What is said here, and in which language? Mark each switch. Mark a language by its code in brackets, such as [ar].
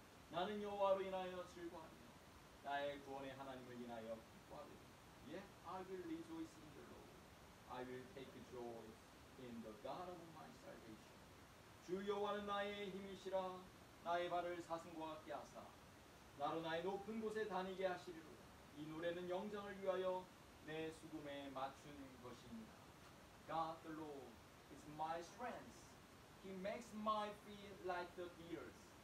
[ko] 나는 여호와로 인하여 즐거하며 나의 구원의 하나님을 인하여 기뻐하리. [en] Yet I will rejoice in the Lord. I will take joy in the God of my salvation. [ko] 주 여호와는 나의 힘이시라. 나의 발을 사슴과 같게 하사 나로 나의 높은 곳에 다니게 하시리로. 이 노래는 영장을 위하여 내 수금에 맞춘 것입니다. [en] God the Lord is my strength. He makes my feet like the deer's.